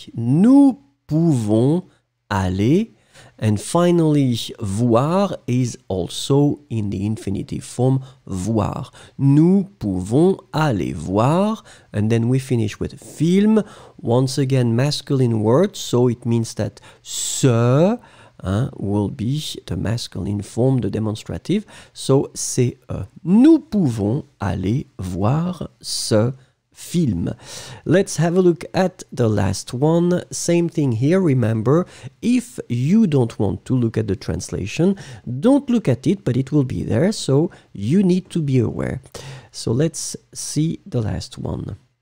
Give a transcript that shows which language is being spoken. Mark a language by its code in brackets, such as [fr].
[fr] Nous pouvons aller. [en] And finally, voir is also in the infinitive form voir. [fr] Nous pouvons aller voir. [en] And then we finish with film. Once again, masculine word. So it means that ce will be the masculine form, the demonstrative. [fr] So, c'est nous pouvons aller voir ce film. [en] Let's have a look at the last one. Same thing here. Remember, if you don't want to look at the translation, don't look at it, but it will be there. So, you need to be aware. So, let's see the last one.